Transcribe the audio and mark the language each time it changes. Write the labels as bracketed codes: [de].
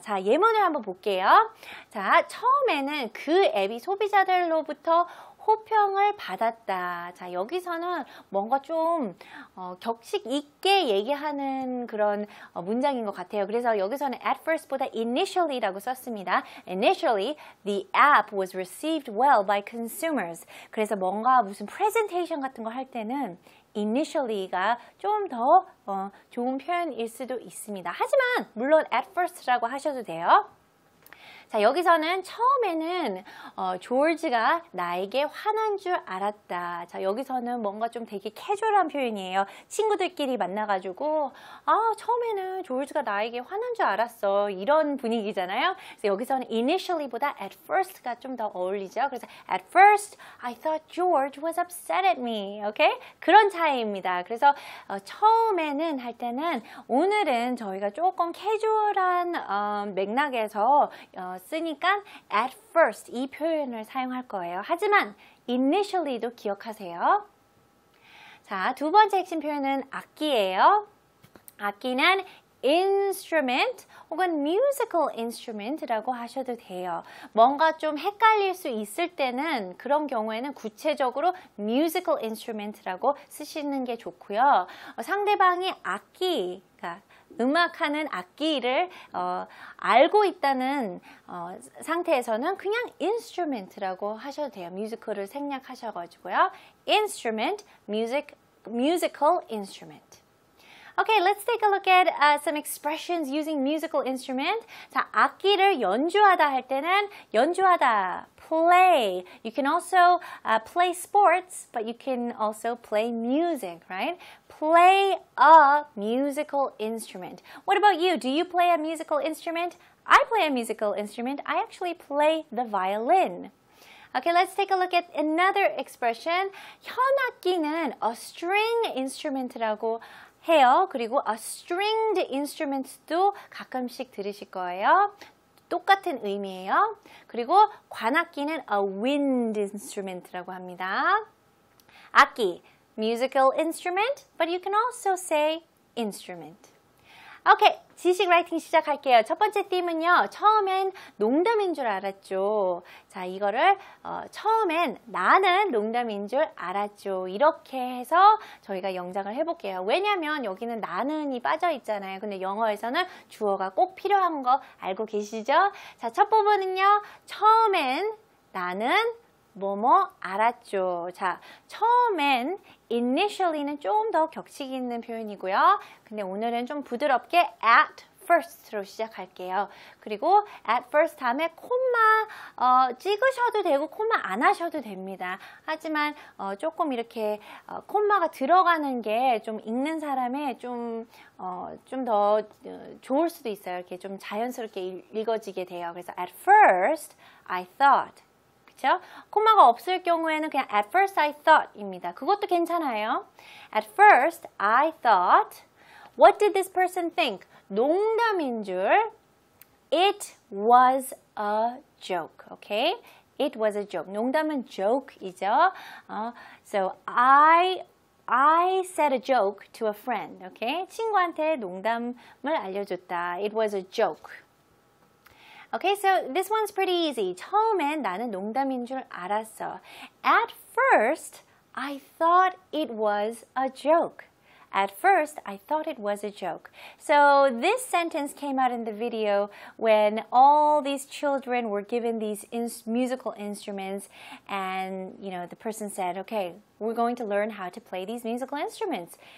[ko] 자, 예문을 한번 볼게요. 자, 처음에는 그 앱이 소비자들로부터 호평을 받았다. 자, 여기서는 뭔가 좀 격식 있게 얘기하는 그런 문장인 것 같아요. 그래서 여기서는 at first보다 initially라고 썼습니다. [en] Initially, the app was received well by consumers. [ko] 그래서 뭔가 무슨 presentation 같은 거 할 때는 initially가 좀 더 좋은 표현일 수도 있습니다. 하지만 물론 at first라고 하셔도 돼요. 자, 여기서는 처음에는 조지가 나에게 화난 줄 알았다. 자, 여기서는 뭔가 좀 되게 캐주얼한 표현이에요. 친구들끼리 만나가지고 아, 처음에는 조지가 나에게 화난 줄 알았어. 이런 분위기잖아요. 그래서 여기서는 initially보다 at first가 좀 더 어울리죠. 그래서 [en] at first, I thought George was upset at me. [ko] Okay? 그런 차이입니다. 그래서 처음에는 할 때는 오늘은 저희가 조금 캐주얼한 맥락에서 쓰니까 at first 이 표현을 사용할 거예요. 하지만 initially도 기억하세요. 자, 두 번째 핵심 표현은 악기예요. 악기는 instrument 혹은 musical instrument라고 하셔도 돼요. 뭔가 좀 헷갈릴 수 있을 때는 그런 경우에는 구체적으로 musical instrument라고 쓰시는 게 좋고요. 상대방이 악기가 음악하는 악기를 알고 있다는 상태에서는 그냥 instrument라고 하셔도 돼요. musical을 생략하셔가지고요. [en] instrument, music, musical instrument. Okay, let's take a look at some expressions using musical instrument. 자, 악기를 연주하다 할 때는 연주하다, play. You can also play sports, but you can also play music, right? Play a musical instrument. What about you? Do you play a musical instrument? I play a musical instrument. I actually play the violin. Okay, let's take a look at another expression. [ko] 현악기는 a string instrument라고 해요. 그리고 a stringed instrument도 가끔씩 들으실 거예요. 똑같은 의미예요. 그리고 관악기는 a wind instrument라고 합니다. 악기, [en] musical instrument, but you can also say instrument. [ko] Okay, 지식 라이팅 시작할게요. 첫 번째 theme은요, 처음엔 농담인 줄 알았죠. 자, 이거를 처음엔 나는 농담인 줄 알았죠. 이렇게 해서 저희가 영작을 해볼게요. 왜냐면 여기는 나는이 빠져있잖아요. 근데 영어에서는 주어가 꼭 필요한 거 알고 계시죠? 자, 첫 부분은요, 처음엔 나는 뭐뭐 알았죠. 자, 처음엔 initially는 좀 더 격식 있는 표현이고요. 근데 오늘은 좀 부드럽게 at first로 시작할게요. 그리고 at first 다음에 콤마 찍으셔도 되고 콤마 안 하셔도 됩니다. 하지만 조금 이렇게 콤마가 들어가는 게 좀 읽는 사람의 좀 좀 더 좋을 수도 있어요. 이렇게 좀 자연스럽게 읽어지게 돼요. 그래서 [en] at first I thought. [ko] 콤마가 없을 경우에는 그냥 at first I thought 입니다. 그것도 괜찮아요. [en] At first I thought, what did this person think? [ko] 농담인 줄, [en] it was a joke. Okay? It was a joke. [ko] 농담은 [en] joke이죠. So I said a joke to a friend. Okay? [ko] 친구한테 농담을 알려줬다. [en] It was a joke. Okay, so this one's pretty easy. [ko] 처음엔 나는 농담인 줄 알았어. [en] At first, I thought it was a joke. At first, I thought it was a joke. So this sentence came out in the video when all these children were given these musical instruments and, you know, the person said, okay, we're going to learn how to play these musical instruments.